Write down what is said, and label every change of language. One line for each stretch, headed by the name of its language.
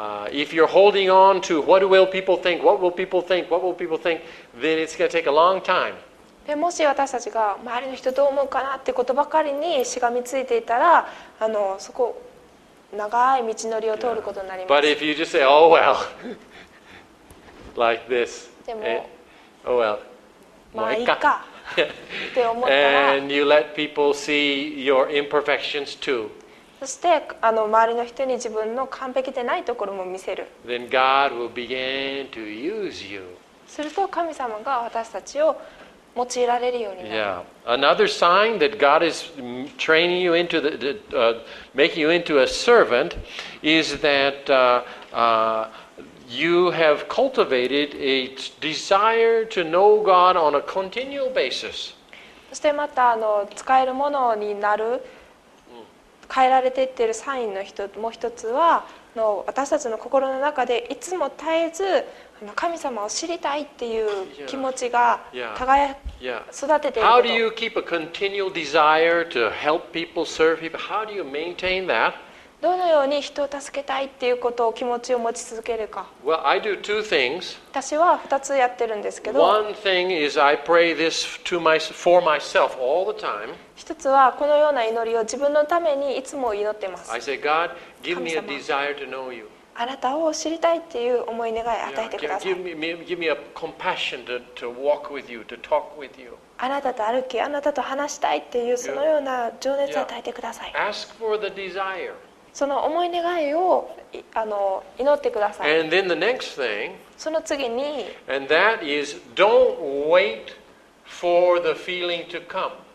English: If you're holding on to what will people think, what will people think, what will people think, then it's going to take a long time.
Japanese: でもし私たちが周りの人どう思うかなってことばかりにしがみついていたら、そこ長い道のりを通ることになります。
English: But if you just say, oh well, like this,
Japanese: でも、
English: oh well,
Japanese: まあいいかって思ったら、
English: and you let people see your imperfections too.
Japanese: そして周りの人に自分の完璧でないところも見せる。
English: Then God will begin to use you.
Japanese: すると神様が私たちを用いられるようになる。
English: Yeah. Another sign that God is training you into the making you into a servant is that you have cultivated a desire to know God on a continual basis.
Japanese: そしてまた使えるものになる。変えられていっているサインの人もう一つは私たちの心の中でいつも絶えず神様を知りたいっていう気持ちが耕育てていること。
English: How do you keep a continual desire to help people, serve people? How do you maintain that?
Japanese: どのように人を助けたいっていうことを気持ちを持ち続けるか。
English: Well, I do two things.
Japanese: 私は二つやってるんですけど、
English: One thing is I pray this to my, for myself all the time.
Japanese: 一つはこのような祈りを自分のためにいつも祈ってます。
English: I say, God, give me a desire to know you.
Japanese: あなたを知りたいっていう思い願い与えてください。
English: Give me a compassion to walk with you, to talk with you.
Japanese: あなたと歩き、あなたと話したいっていうそのような情熱を与えてください。
English: Yeah. Ask for the desire.
Japanese: その思い願いを祈ってください。
English: And then the next thing.
Japanese: その次に。
English: And that is, don't wait for the feeling to come.